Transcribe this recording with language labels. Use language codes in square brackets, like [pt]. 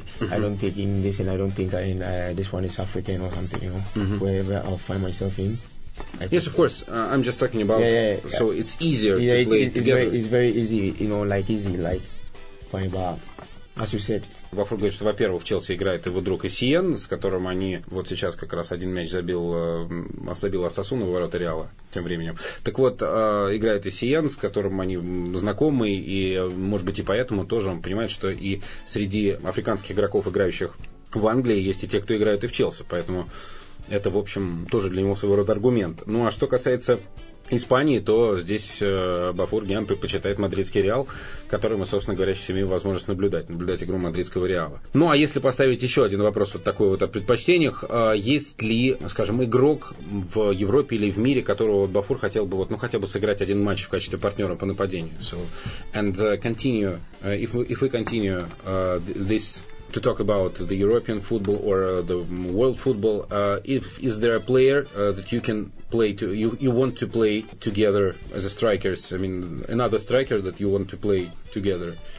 [en] I don't think in this, and I don't think in this one is African or something, you know, mm-hmm. wherever I'll find myself in. Yes, of course. I'm just talking about. So it's easier. Yeah, to play together. It's very easy, you know, like easy, like fine, but as you said. [ru] Вафур говорит, что, во-первых, в Челси играет его друг Эссиен, с которым они вот сейчас как раз один мяч забил Асасуну в ворота Реала тем временем. Так вот, играет Эссиен, с которым они знакомы, и, может быть, и поэтому тоже он понимает, что и среди африканских игроков, играющих в Англии, есть и те, кто играют и в Челси. Поэтому это, в общем, тоже для него своего рода аргумент. Ну, а что касается... Испании, то здесь Бафур Гиан предпочитает мадридский Реал, который мы, собственно говоря, сейчас имеем возможность наблюдать игру мадридского Реала. Ну, а если поставить еще один вопрос вот такой вот о предпочтениях, есть ли, скажем, игрок в Европе или в мире, которого Бафур хотел бы, вот, ну, хотя бы сыграть один матч в качестве партнера по нападению? [en] So, and continue, if we continue this to talk about the European football or the world football, is there a player that you can play to, you want to play together as a strikers? I mean, another striker that you want to play together?